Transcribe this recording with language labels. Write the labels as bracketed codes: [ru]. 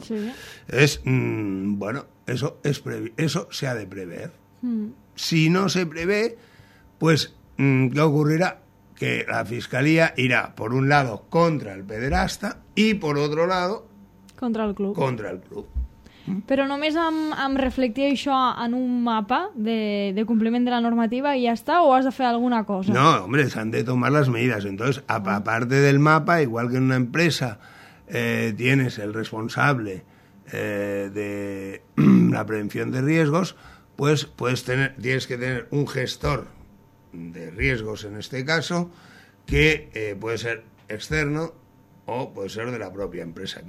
[es] Sí. Es, bueno, eso se ha de prever. Si no se prevé, pues, ¿qué ocurrirá? Que la Fiscalía irá, por un lado, contra el pederasta y, por otro lado... Contra el club. Contra el club. [ca] Però només em reflectir això en un mapa de compliment de la normativa i ja està, o has de fer alguna cosa? [es] No, hombre, [ca] s'han de [es] tomar les medidas. Entonces, a parte del mapa, igual que en una empresa tienes el responsable de la prevención de riesgos, pues tienes que tener un gestor de riesgos, en este caso, que puede ser externo, o puede ser de la propia empresa.